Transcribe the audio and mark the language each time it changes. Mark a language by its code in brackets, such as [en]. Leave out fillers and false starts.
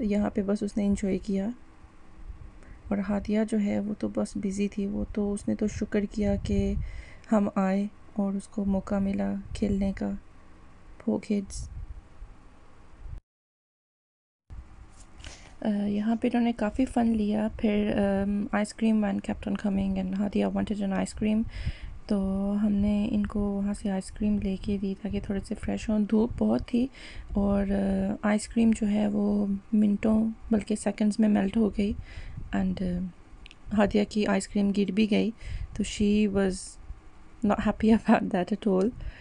[hi] यहाँ पे बस उसने enjoy किया. और हादिया जो है वो तो बस busy थी, वो तो उसने तो शुक्र किया कि हम आए और उसको मौका मिला खेलने का. [en] Poor kids. [hi] यहाँ पे उन्होंने काफ़ी फन लिया. [en] फिर ice cream man kept on coming, and Hadiya wanted an ice cream. [hi] तो हमने इनको वहाँ से आइसक्रीम लेके दी ताकि थोड़े से फ्रेश हों. धूप बहुत थी और आइसक्रीम जो है वो मिनटों बल्कि सेकंड्स में मेल्ट हो गई, एंड हादिया की आइसक्रीम गिर भी गई, तो [en] She was not happy about that at all.